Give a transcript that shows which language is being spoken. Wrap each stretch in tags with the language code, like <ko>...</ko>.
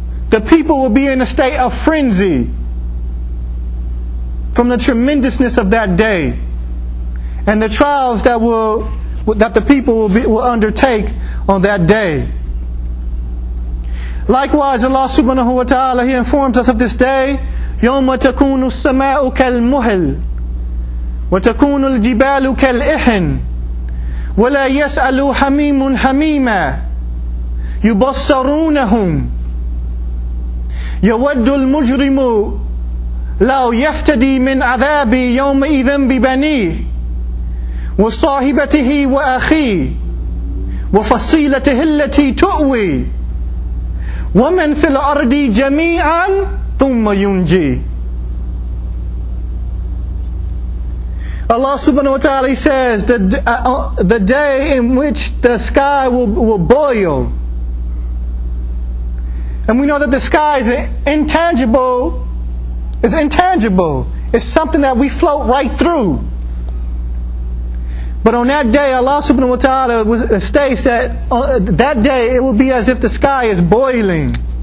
<en>The people will be in a state of frenzy from the tremendousness of that day and the trials that the people will undertake on that day. Likewise, Allah subhanahu wa ta'ala, He informs us of this day,</en> <ar>يَوْمَ تَكُونُ السَّمَاءُ كَالْمُهِلْ وَتَكُونُ الْجِبَالُ كَالْإِحِنْ وَلَا يَسْأَلُ حَمِيمٌ حَمِيمًا يُبَصَّرُونَهُمْ يَوَدُّ الْمُجْرِمُ لَوْ يَفْتَدِي مِنْ عَذَابِ يَوْمَئِذٍ بِبَنِيهِ وَصَاحِبَتِهِ وَأَخِيهِ وَفَصِيلَتِهِ الَّتِي تُؤْوِي وَمَنْ فِي الْأَرْضِ جَمِيعًا ثُمَّ يُنْجِي.</ar> <en>Allah subhanahu wa ta'ala says that the day in which the sky will boil. And we know that the sky is intangible. It's intangible. It's something that we float right through. But on that day, Allah subhanahu wa ta'ala states that that day it will be as if the sky is boiling.</en>